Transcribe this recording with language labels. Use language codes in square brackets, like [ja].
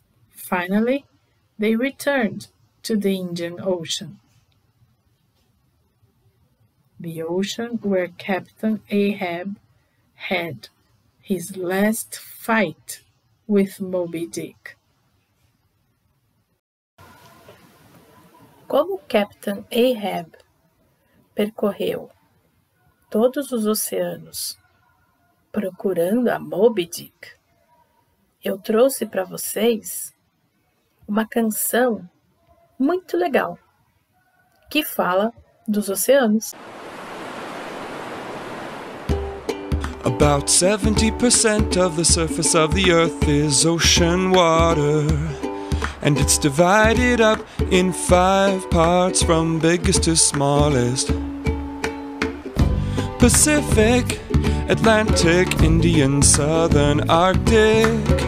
[en] Finally, they returned to the Indian Ocean. The ocean where Captain Ahab had his last fight with Moby Dick. [pt] Como Captain Ahab percorreu todos os oceanos procurando a Moby Dick, eu trouxe para vocês uma canção muito legal que fala dos oceanos. [en] About 70% of the surface of the earth is ocean water. And it's divided up in five parts from biggest to smallest. Pacific, Atlantic, Indian, Southern, Arctic.